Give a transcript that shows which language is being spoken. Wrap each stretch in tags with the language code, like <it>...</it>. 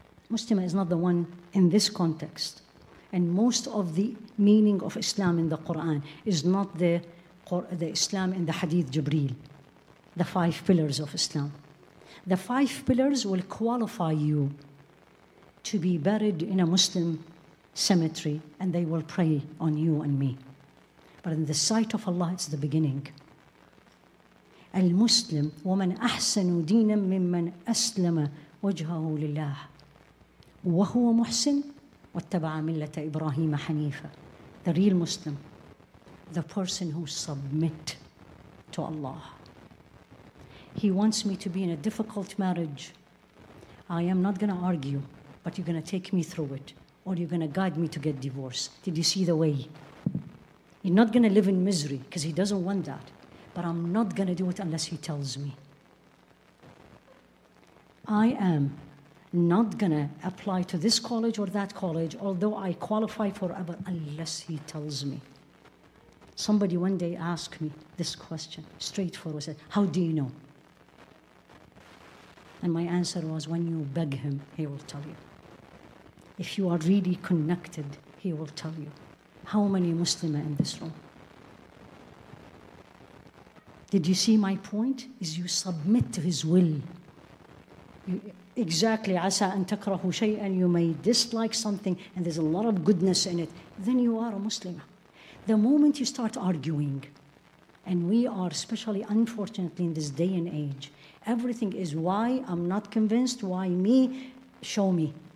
<en>Muslima is not the one in this context. And most of the meaning of Islam in the Quran is not the Islam in the Hadith Jibreel, the five pillars of Islam. The five pillars will qualify you to be buried in a Muslim cemetery and they will pray on you and me. But in the sight of Allah, it's the beginning.</en> <ar>Al-Muslim, وَمَنْ أَحْسَنُ دِينًا مِمَّنْ أَسْلَمَ وَجْهَهُ لِلَّهِ وَهُوَ مُحْسِنُ وَاتَّبَعَ مِلَّةَ إِبْرَاهِيمَ حَنِيفًا.</ar> <en>The real Muslim, the person who submit to Allah. He wants me to be in a difficult marriage. I am not going to argue, but you're going to take me through it, or you're going to guide me to get divorced. Did you see the way? You're not going to live in misery, because he doesn't want that. But I'm not going to do it unless he tells me. I am not going to apply to this college or that college, although I qualify forever, unless he tells me. Somebody one day asked me this question, straightforward, said, how do you know? And my answer was, when you beg him, he will tell you. If you are really connected, he will tell you. How many Muslims are in this room? Did you see my point? Is you submit to his will.</en> <ar>Exactly, عَسَىٰ أَن تَكْرَهُ شَيْئًا.</ar> <en>You may dislike something, and there's a lot of goodness in it. Then you are a Muslim. The moment you start arguing, and we are especially unfortunately in this day and age, everything is why I'm not convinced, why me, show me.</en>